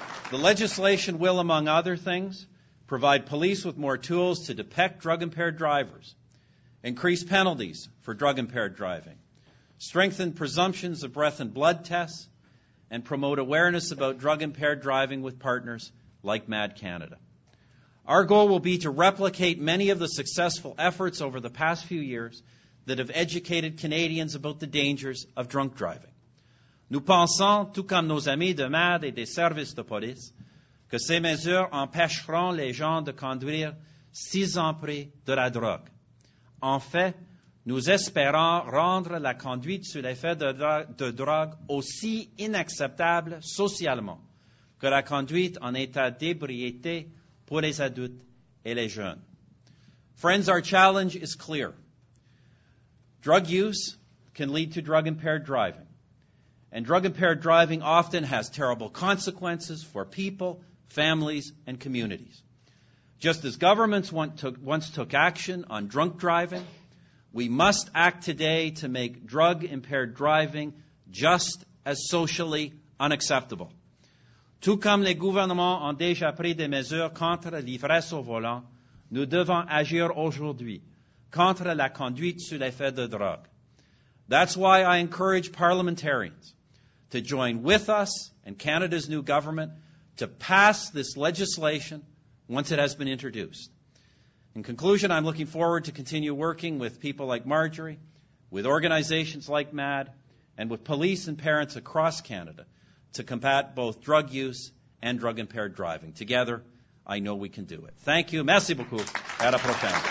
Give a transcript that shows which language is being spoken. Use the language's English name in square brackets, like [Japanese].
[English] The legislation will, among other things, provide police with more tools to detect drug-impaired drivers, increase penalties for drug-impaired driving, strengthen presumptions of breath and blood tests, and promote awareness about drug-impaired driving with partners like MAD Canada. Our goal will be to replicate many of the successful efforts over the past few years that have educated Canadians about the dangers of drunk driving. [French] Nous pensons, tout comme nos amis de MAD et des services de police, que ces mesures empêcheront les gens de conduire sous l'emprise de la drogue. En fait, nous espérons rendre la conduite sous l'effet de drogue aussi inacceptable socialement que la conduite en état d'ébriété pour les adultes et les jeunes. [English] Friends, our challenge is clear. Drug use can lead to drug-impaired driving. And drug-impaired driving often has terrible consequences for people, families, and communities. Just as governments once took action on drunk driving, we must act today to make drug-impaired driving just as socially unacceptable. [French] Tout comme les gouvernements ont déjà pris des mesures contre l'ivresse au volant, nous devons agir aujourd'hui contre la conduite sous l'effet de drogue. [English] That's why I encourage parliamentarians to join with us and Canada's new government to pass this legislation once it has been introduced. In conclusion, I'm looking forward to continue working with people like Marjorie, with organizations like MAD, and with police and parents across Canada to combat both drug use and drug-impaired driving. Together, I know we can do it. Thank you. [French] Merci beaucoup. À la prochaine.